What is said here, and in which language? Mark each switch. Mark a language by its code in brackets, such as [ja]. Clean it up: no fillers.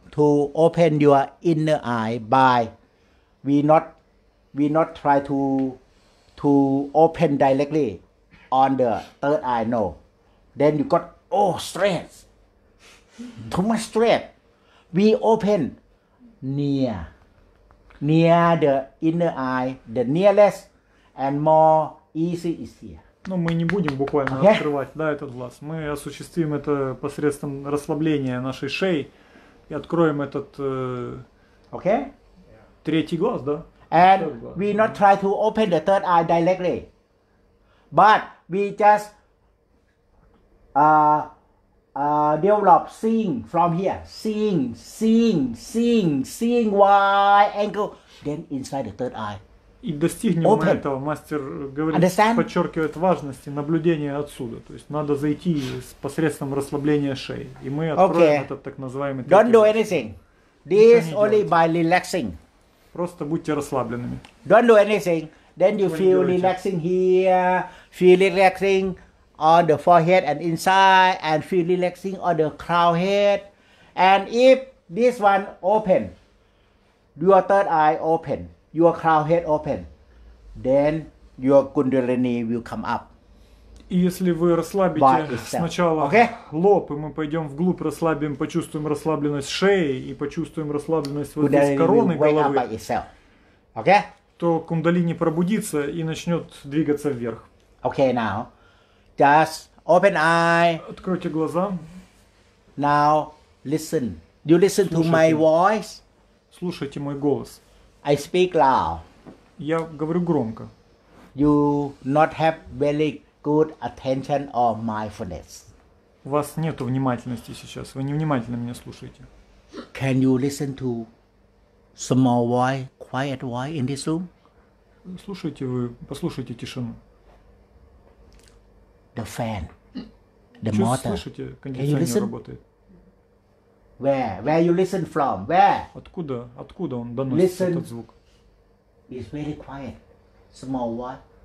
[en] To open your inner eye by we not try to open directly on the third eye, no. Then you got, stress. Too much stress. We open near the inner eye, the nearest and more easy is here. [ru] Ну, мы не будем буквально okay. открывать, да, этот глаз. Мы осуществим это посредством расслабления нашей шеи. И откроем этот [en] okay. [ru] третий глаз, да? [en] And we not try to open the third eye directly. But we just develop seeing from here. Seeing wide angle. Then inside the third eye. [ru] И достигнем [en] open. [ru] Мы этого, мастер говорит, [en] Understand? [ru] Подчеркивает важность наблюдения отсюда. То есть надо зайти с посредством расслабления шеи. И мы откроем [en] okay. [ru] этот так называемый третий. [en] Don't do anything. This only by relaxing. [ru] Просто будьте расслабленными. [en] Don't do anything. Then you feel relaxing here, feel relaxing on the forehead and inside, and feel relaxing on the crown head. And if this one open, your third eye open. Your crown head open, then your kundalini will come up. [ru] И если вы расслабите сначала [en] okay? [ru] лоб, и мы пойдем вглубь, расслабим, почувствуем расслабленность шеи и почувствуем расслабленность вот здесь короны головы, [en] okay? [ru] то кундалини пробудится и начнет двигаться вверх. [en] Okay, now, just open eye. [ru] Откройте глаза. [en] Now, listen. You listen [ru] Слушайте. [en] To my voice. [ru] Слушайте мой голос. [en] I speak loud. [ru] Я говорю громко. [en] You not have very good attention or mindfulness. [ru] У вас нету внимательности сейчас. Вы невнимательно меня слушаете. [en] Can you listen to small voice, quiet voice in this room? [ru] Слушайте вы, послушайте тишину. [en] The fan, the motor. [ru] Слушайте, кондиционер работает. [en] Where you listen from? Where? [ru] Откуда он доносит [en] listen. [ru] Этот звук? [en] It's very quiet. Small what?